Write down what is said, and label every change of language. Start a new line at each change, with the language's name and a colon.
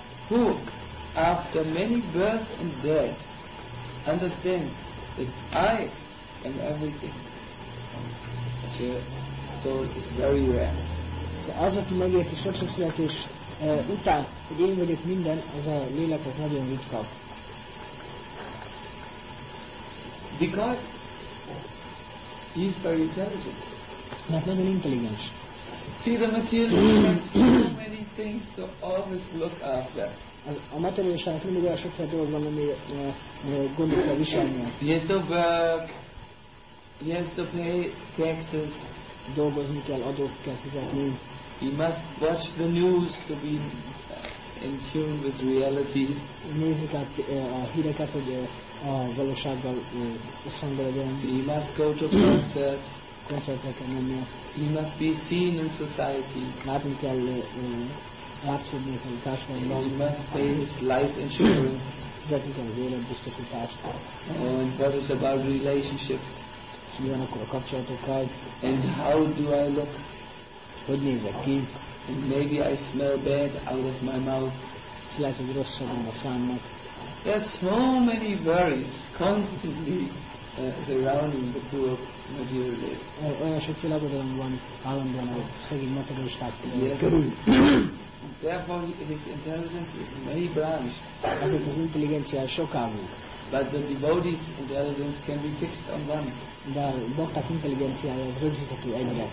English: Who, after many births and deaths, understands that I am everything. The soul is very rare.
Hungarian: Az, aki megérti sok-sok születés után, hogy én vagyok minden, az a lélek az nagyon ritka.
English: Because he is very intelligent.
Hungarian: Mert nagyon intelligens.
English: See, the material has so many things to always look after.
Hungarian: A materialistának mindig olyan sokféle dolog van, ami gondolja kell viselni.
English: He has to work, he has to pay taxes.
Hungarian: Dolgozni kell, adót kell fizetni.
English: He must watch the news to be in tune with reality.
Hungarian: Nézni kell a híreket, hogy a valósággal összhangban legyen.
English: He must go to concert.
Hungarian: Koncertre kell menni.
English: He must be seen in society.
Hungarian: Látni kell látszódni a társadalomban.
English: He must pay his life insurance.
Hungarian: Fizetni kell az életbiztosítást.
English: And what is about relationships?
Hungarian: És mi van akkor a kapcsolatokkal?
English: And how do I look?
Hungarian: Hogy nézek ki?
English: And maybe I smell bad out of my mouth.
Hungarian: és lehet, hogy rosszabb a számnak.
English: There are so many worries constantly surrounding the poor material life.
Hungarian: Olyan sokféle aggodalom van állandóan a szegény materialisták körül.
English: Therefore his intelligence is many branched.
Hungarian: Azért az intelligencia sokágú.
English: But the devotee's intelligence can be fixed on one.
Hungarian: De a bhakták intelligenciája az rögzíthető egyre.